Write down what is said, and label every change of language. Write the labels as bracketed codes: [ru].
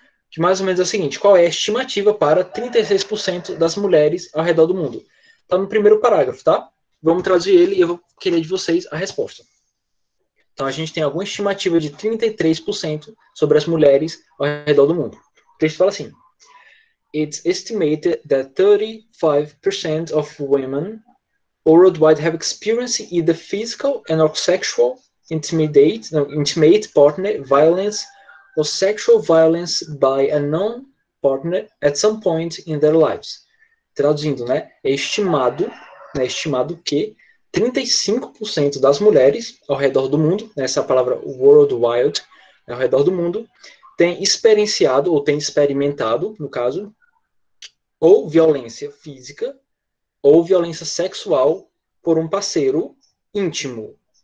[pt] Que mais ou menos é o seguinte: qual é a estimativa para 36% das mulheres ao redor do mundo? Está no primeiro parágrafo, tá? Vamos traduzir ele e eu vou querer de vocês a resposta. Então, a gente tem alguma estimativa de 33% sobre as mulheres ao redor do mundo. O texto fala assim: [en] It's estimated that 35% of women worldwide have experienced either physical and/or sexual intimate partner violence or sexual violence by a known partner at some point in their lives. [pt] Traduzindo, né? É estimado que 35% das mulheres ao redor do mundo, nessa palavra worldwide, ao redor do mundo, têm experienciado ou têm experimentado, no caso, ou violência física ou violência sexual por um parceiro íntimo.